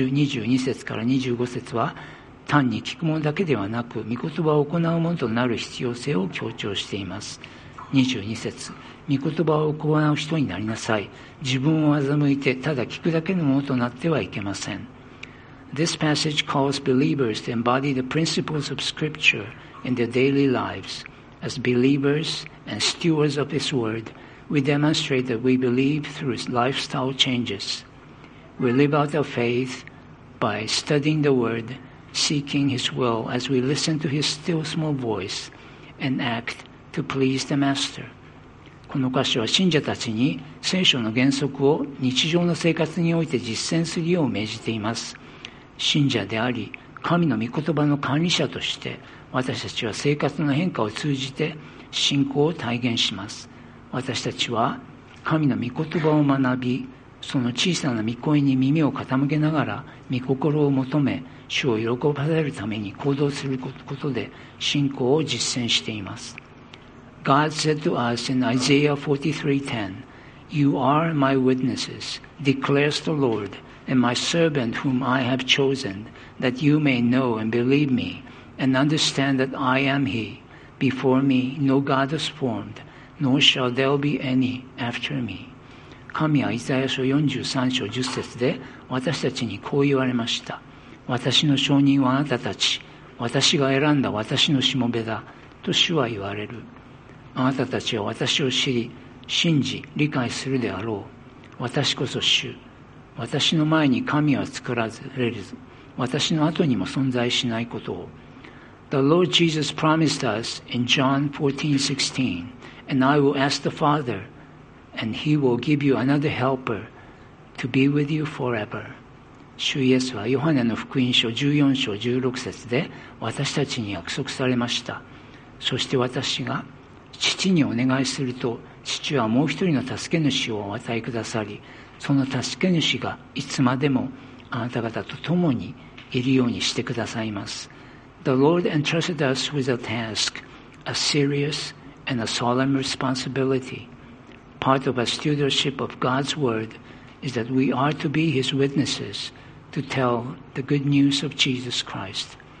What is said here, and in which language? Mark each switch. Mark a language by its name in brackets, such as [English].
[Japanese] ヤコブ1章22節から25節は、単に聞くものだけではなく、御言葉を行うものとなる必要性を強調しています。 22節、御言葉を行う人になりなさい。自分を欺いてただ聞くだけのものとなってはいけません。 [English] This passage calls believers to embody the principles of Scripture in their daily lives. As believers and stewards of His word, we demonstrate that we believe through lifestyle changes. We live out our faith by studying the word, seeking His will as we listen to His still small voice and act to please the master. [Japanese] この箇所は信者たちに聖書の原則を日常の生活において実践するよう命じています。信者であり神の御言葉の管理者として、私たちは生活の変化を通じて信仰を体現します。私たちは神の御言葉を学び、その小さな御声に耳を傾けながら御心を求め、主を喜ばせるために行動することで信仰を実践しています。 [English] God said to us in Isaiah 43:10, You are my witnesses, declares the Lord, and my servant whom I have chosen, that you may know and believe me, and understand that I am he. Before me no God is formed, nor shall there be any after me. [Japanese] 神はイザヤ書43章10節で私たちにこう言われました。私の証人はあなたたち、私が選んだ私のしもべだと主は言われる。あなたたちは私を知り、信じ、理解するであろう。私こそ主、私の前に神は作られず、私の後にも存在しないことを。 [English] The Lord Jesus promised us in John 14:16, And I will ask the Father, and he will give you another helper to be with you forever. [Japanese] 主イエスはヨハネの福音書14章16節で私たちに約束されました。そして私が父にお願いすると、父はもう一人の助け主をお与えくださり、その助け主がいつまでもあなた方と共にいるようにしてくださいます。 [English] The Lord entrusted us with a task, a serious and a solemn responsibility. Part of a stewardship of God's word is that we are to be his witnesses to tell the good news of Jesus Christ.